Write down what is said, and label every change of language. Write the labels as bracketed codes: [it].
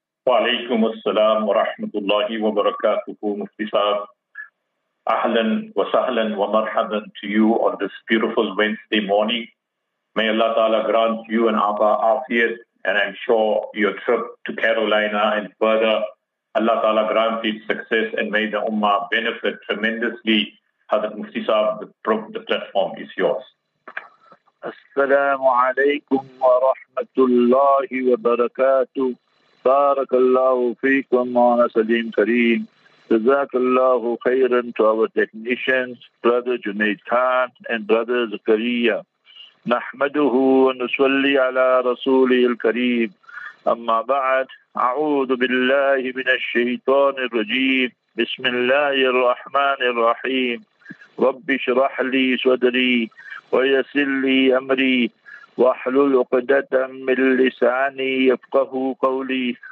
[ar] وعليكم السلام ورحمة الله وبركاته مفتي صاحب. أهلا وسهلا ومرحبا [en] to you on this beautiful Wednesday morning. May Allah Ta'ala grant you and Abba Afiyat, and I'm sure your trip to Carolina and further, Allah Ta'ala grant you success and may the Ummah benefit tremendously. Hazrat Mufti Sahab, the platform is yours. [ar] Assalamu alaikum wa rahmatullahi wa barakatuh. بارك الله فيكم وانا سليم كريم. جزاك الله خيرا [en] to our technicians, brother Junaid Khan and brother Zakaria. [ar] نحمده ونصلي على رسوله الكريم. أما بعد, أعوذ بالله من الشيطان الرجيم. بسم الله الرحمن الرحيم. رب اشرح لي صدري ويسر لي أمري واحلل عقدة من لساني يفقه قولي.